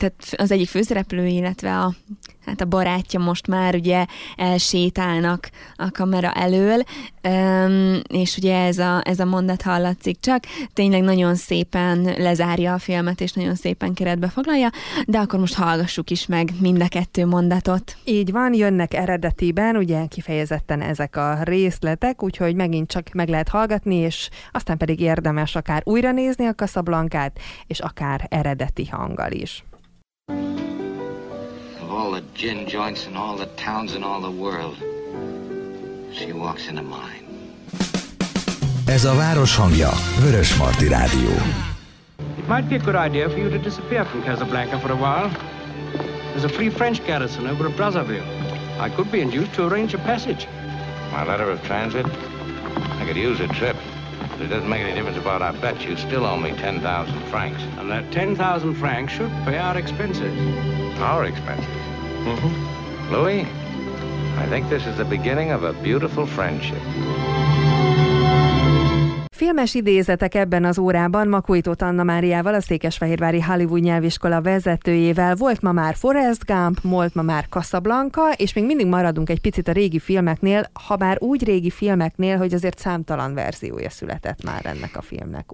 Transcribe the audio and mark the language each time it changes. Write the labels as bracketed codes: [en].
[hu] az egyik főszereplő, illetve a barátja most már ugye elsétálnak a kamera elől, és ugye ez a mondat hallatszik csak, tényleg nagyon szépen lezárja a filmet, és nagyon szépen keretbe foglalja, de akkor most hallgassuk is meg mind a kettő mondatot. Így van, jönnek eredetiben, ugye kifejezetten ezek a részletek, úgyhogy megint csak meg lehet hallgatni, és aztán pedig érdemes akár újra nézni a Casablancát, és akár eredeti hanggal is. [en] Of all the gin joints in all the towns in all the world, she walks into mine. [hu] Ez a város hangja, Vörös Marti Rádió. [en] It might be a good idea for you to disappear from Casablanca for a while. There's a free French garrison over at Brazzaville. I could be induced to arrange a passage. My letter of transit? I could use a trip. But it doesn't make any difference about our bet. You still owe me 10,000 francs. And that 10,000 francs should pay our expenses. Our expenses? Mm-hmm. Louis, I think this is the beginning of a beautiful friendship. [hu] Filmes idézetek ebben az órában Makuitót Anna Máriával, a Székesfehérvári Hollywood Nyelviskola vezetőjével. Volt ma már Forrest Gump, volt ma már Casablanca, és még mindig maradunk egy picit a régi filmeknél, ha már úgy régi filmeknél, hogy azért számtalan verziója született már ennek a filmnek.